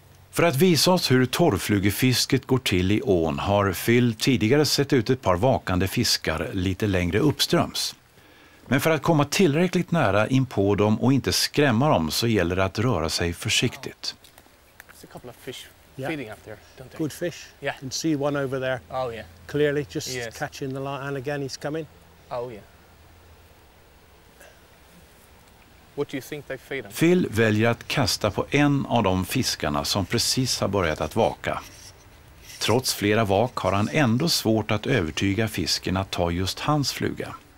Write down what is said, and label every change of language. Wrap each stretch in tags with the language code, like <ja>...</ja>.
<sv>För att visa oss hur torrflugefisket går till i ån har Phil tidigare sett ut ett par vakande fiskar lite längre uppströms. Men för att komma tillräckligt nära in på dem och inte skrämma dem, så gäller det att röra sig försiktigt.</sv> <en>There's a couple of fish feeding up there, don't they? Good fish. Yeah. And see one over there. Oh yeah. Clearly, just catching the line, and again he's coming. Oh yeah. What do you think they feed on?</en> <sv>Phil väljer att kasta på en av de fiskarna som precis har börjat att vaka. Trots flera vak har han ändå svårt att övertyga fisken att ta just hans fluga.</sv>